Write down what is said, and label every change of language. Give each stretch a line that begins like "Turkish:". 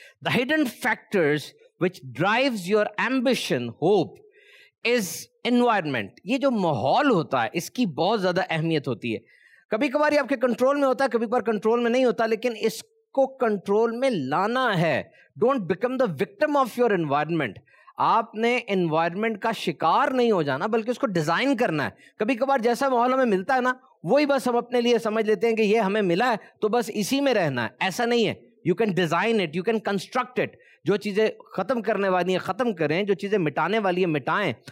English: The hidden factors which drives your ambition, hope, is environment.
Urdu: یہ جو ماحول ہوتا ہے اس کی بہت زیادہ اہمیت ہوتی ہے. کبھی کبھار یہ آپ کے کنٹرول میں ہوتا ہے, کبھی کبھار کنٹرول میں نہیں ہوتا, لیکن اس کو کنٹرول میں لانا ہے.
English: Don't become the victim of your environment.
Urdu: آپ نے انوائرمنٹ کا شکار نہیں ہو جانا, بلکہ اس کو ڈیزائن کرنا ہے. کبھی کبھار جیسا ماحول ہمیں ملتا ہے نا, وہی بس ہم اپنے لیے سمجھ لیتے ہیں کہ یہ ہمیں ملا ہے تو بس اسی میں رہنا ہے. ایسا نہیں ہے.
English: You can design it, you can construct it.
Urdu: جو چیزیں ختم کرنے والی ہیں ختم کریں, جو چیزیں مٹانے والی ہیں مٹائیں.